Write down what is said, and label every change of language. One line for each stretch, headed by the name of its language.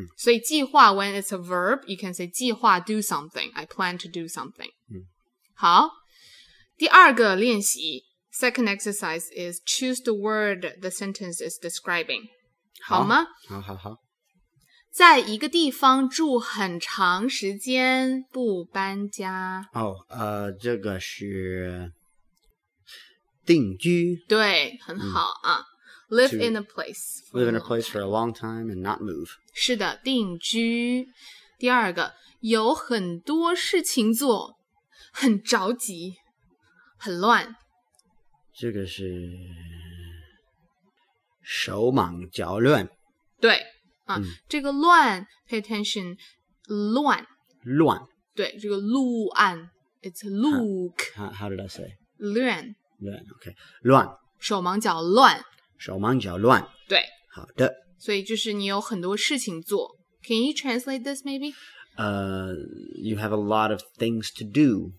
Chinese: 所以计划
English: when it's a verb, you can say 计划 do something, I plan to do something.
Chinese: 好，第二个练习
English: second exercise is choose the word the sentence is describing.
Chinese: 好吗？好好好。在一个地方住很长时间不搬家。这个是定居，对，很好啊。
English: Live in a place. Live in a place for a long time and not move.
Chinese: 是的，定居。第二个，有很多事情做，很着急，很乱。这个是手忙脚乱。对，这个乱 ，
English: pay attention，
Chinese: 乱。乱。对，这个乱 ，
English: it's look. How did I say?
Chinese: 乱。乱 ，OK， 乱，手忙脚乱，手忙脚乱，对，好的，所以就是你有很多事情做。
English: Can you translate this, maybe? You have a lot of things to do.